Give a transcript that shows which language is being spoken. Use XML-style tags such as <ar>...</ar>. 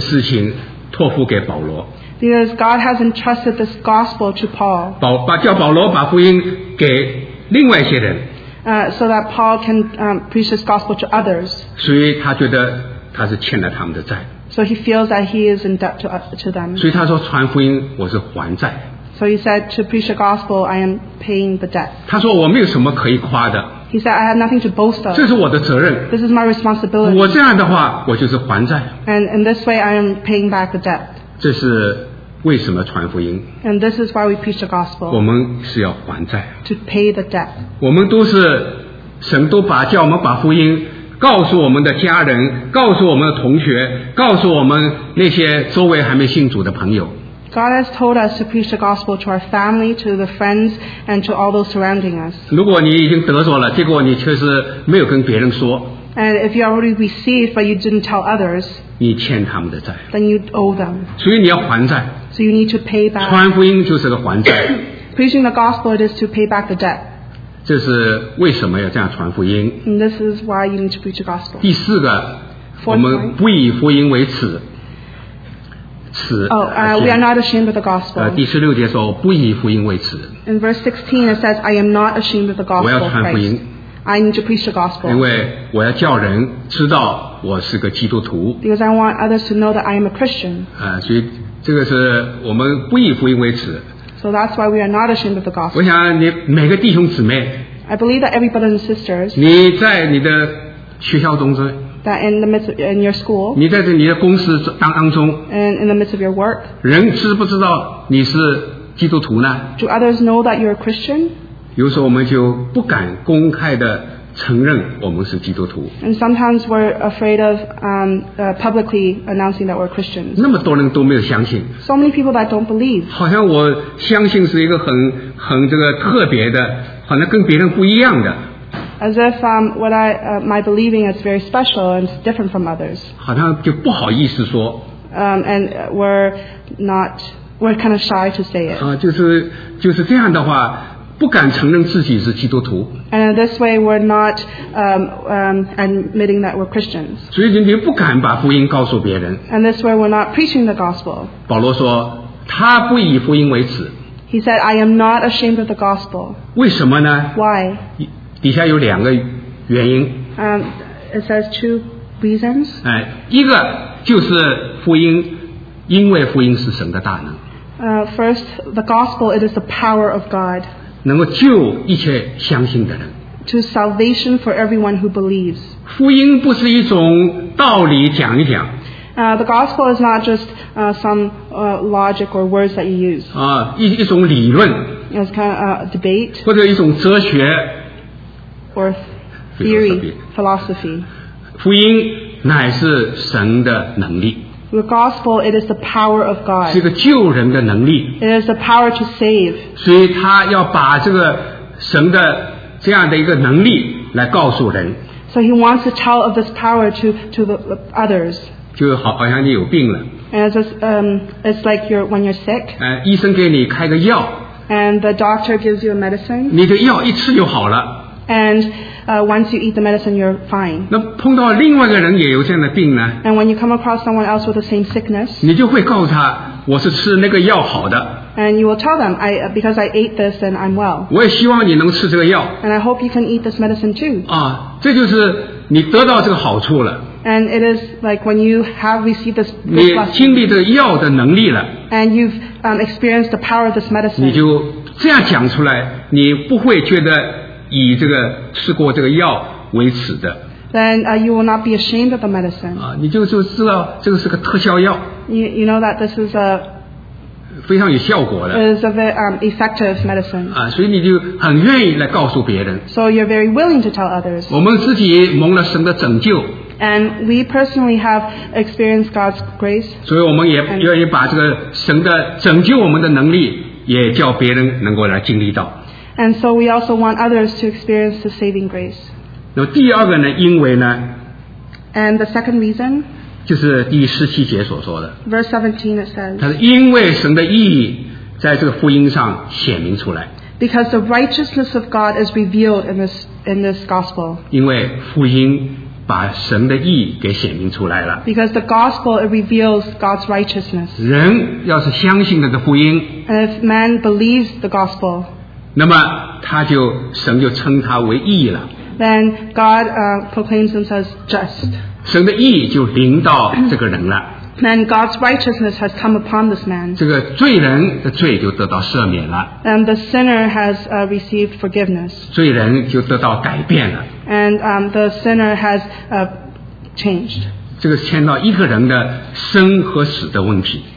<zh>因为神把这个福音的事情托付给保罗。</zh> <en>Because God has entrusted this gospel to Paul.</en> <zh>叫保罗把福音给另外一些人。</zh> <en>So that Paul can preach this gospel to others.</en> <zh>所以他觉得他是欠了他们的债。</zh> <en>So he feels that he is in debt to them.</en> <zh>所以他说传福音我是还债。</zh> <en>So he said to preach the gospel, I am paying the debt.</en> <zh>他说我没有什么可以夸的。</zh> <en>He said, I have nothing to boast of.</en> <zh>这是我的责任。</zh> <en>This is my responsibility.</en> <zh>我这样的话，我就是还债。</zh> <en>And in this way, I am paying back the debt.</en> <zh>这是为什么传福音。</zh> <en>And this is why we preach the gospel.</en> <zh>我们是要还债。</zh> <en>To pay the debt.</en> <zh>我们都是神都把叫我们把福音告诉我们的家人，告诉我们的同学，告诉我们那些周围还没信主的朋友。</zh> <en>God has told us to preach the gospel to our family, to the friends, and to all those surrounding us.</en> <zh>如果你已经得着了，结果你却是没有跟别人说。</zh> <en>And if you already received, but you didn't tell others,</en> <zh>你欠他们的债。</zh> <en>Then you owe them.</en> <zh>所以你要还债。</zh> <en>So you need to pay back.</en> <zh>传福音就是个还债。</zh> <en>Preaching the gospel is to pay back the debt.</en> <zh>这是为什么要这样传福音。</zh> <en>And this is why you need to preach the gospel.</en> <zh>第四个，</zh> <en>Fourth、</en> <zh>我们不以福音为耻。</zh> <en>We are not ashamed of the gospel.</en> <zh>第十六节说，不以福音为耻。</zh> <en>In verse 16, it says, I am not ashamed of the gospel.</en> <zh>我要传福音。</zh> <en>I need to preach the gospel.</en> <zh>因为我要叫人知道我是个基督徒。</zh> <en>Because I want others to know that I am a Christian.</en> <zh>所以这个是我们不以福音为耻。</zh> <en>So that's why we are not ashamed of the gospel.</en> <zh>我想你每个弟兄姊妹。</zh> <en>I believe that every brother and sisters.</en> <zh>你在你的学校中间。</zh> <en>That in the midst of, in your school,</en> <zh>你在你的公司当中</zh> <en>and in the midst of your work,</en> <zh>人知不知道你是基督徒呢？</zh> <en>Do others know that you're a Christian?</en> <zh>有时候我们就不敢公开的承认我们是基督徒。</zh> <en>And sometimes we're afraid of publicly announcing that we're Christians.</en> <zh>那么多人都没有相信。</zh> <en>So many people that don't believe.</en> <zh>好像我相信是一个很这个特别的，好像跟别人不一样的。</zh> <en>As if my believing is very special and different from others.</en> <zh>好像就不好意思说。</zh> <en>And we're kind of shy to say it.</en> <zh>就是这样的话，不敢承认自己是基督徒。</zh> <en>And this way, we're not admitting that we're Christians.</en> <zh>所以你不敢把福音告诉别人。</zh> <en>And this way, we're not preaching the gospel.</en> <zh>保罗说，他不以福音为耻。</zh> <en>He said, "I am not ashamed of the gospel."</en> <zh>为什么呢</zh> <en>？Why?</en> <zh>底下有两个原因。</zh> <en>It says two reasons.</en> <zh>一个就是福音，因为福音是神的大能。</zh> <en>First, the gospel, it is the power of God.</en> <zh>能够救一切相信的人。</zh> <en>To salvation for everyone who believes.</en> <zh>福音不是一种道理讲一讲。</zh> <en>The gospel is not just logic or words that you use.</en> <zh>一种理论。</zh> <en>It's kind of a debate.</en> <zh>或者一种哲学。</zh> <en>Or theory, philosophy.</en> <zh>福音乃是神的能力。</zh> <en>The gospel, it is the power of God.</en> <zh>是一个救人的能力。</zh> <en>It is the power to save.</en> <zh>所以他要把这个神的这样的一个能力来告诉人。</zh> <en>So he wants to tell of this power to the others.</en> <zh>就好像你有病了。</zh> <en>And it's like when you're sick.</en> <zh>医生给你开个药。</zh> <en>And the doctor gives you a medicine.</en> <zh>你的药一吃就好了。</zh> <en>And once you eat the medicine, you're fine.</en> <zh>那碰到另外一个人也有这样的病呢？</zh> <en>And when you come across someone else with the same sickness,</en> <zh>你就会告诉他，我是吃那个药好的。</zh> <en>And you will tell them, because I ate this, then I'm well.</en> <zh>我也希望你能吃这个药。</zh> <en>And I hope you can eat this medicine too.</en> <zh>这就是你得到这个好处了。</zh> <en>And it is like when you have received this.</en> <zh>你经历这个药的能力了。</zh> <en>And you've experienced the power of this medicine.</en> <zh>你就这样讲出来，你不会觉得。以这个吃过这个药为耻的</zh> <en>，then you will not be ashamed of the medicine.</en> <zh>你就知道这个是个特效药。</zh> <en>You know that this is a</en> <zh>非常有效果的。</zh> <en>Is a very effective medicine.</en> <zh>所以你就很愿意来告诉别人。</zh> <en>So you're very willing to tell others.</en> <zh>我们自己蒙了神的拯救。</zh> <en>And we personally have experienced God's grace.</en> <zh>所以我们也愿意把这个神的拯救我们的能力，也叫别人能够来经历到。</zh> <en>And so we also want others to experience the saving grace.</en> <zh>那第二个呢？因为呢</zh> <en>？And the second reason.</en> <zh>就是第十七节所说的。</zh> <en>Verse 17 it says.</en> <zh>它是因为神的义在这个福音上显明出来。</zh> <en>Because the righteousness of God is revealed in this gospel.</en> <zh>因为福音把神的义给显明出来了。</zh> <en>Because the gospel it reveals God's righteousness.</en> <zh>人要是相信了这福音。</zh> <en>And if man believes the gospel.</en> <zh>那么他就神就称他为义了。</zh> <en>Then God proclaims him as just.</en> <zh>神的义就临到这个人了。</zh> <en>Then God's righteousness has come upon this man.</en> <zh>这个罪人的罪就得到赦免了。</zh> <en>And the sinner has received forgiveness.</en> <zh>罪人就得到改变了。</zh> <en>And the sinner has changed.</en> <zh>这个牵到一个人的生和死的问题。</zh>